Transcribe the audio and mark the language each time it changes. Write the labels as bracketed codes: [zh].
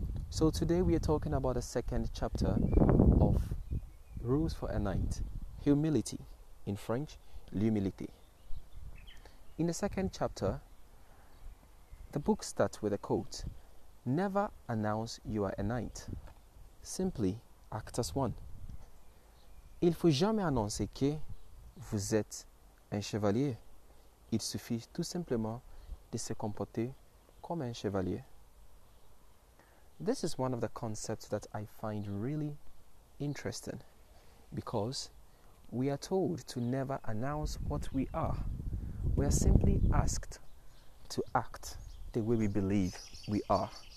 [en] So today we are talking about the second chapter of Rules for a Knight, Humility, in French, l'humilité. In the second chapter, the book starts with a quote: never announce you are a knight. Simply act as one. [fr] Il faut jamais annoncer que vous êtes un chevalier. Il suffit tout simplement de se comporter comme un chevalier. [en] This is one of the concepts that I find really interesting, because we are told to never announce what we are. We are simply asked to act the way we believe we are.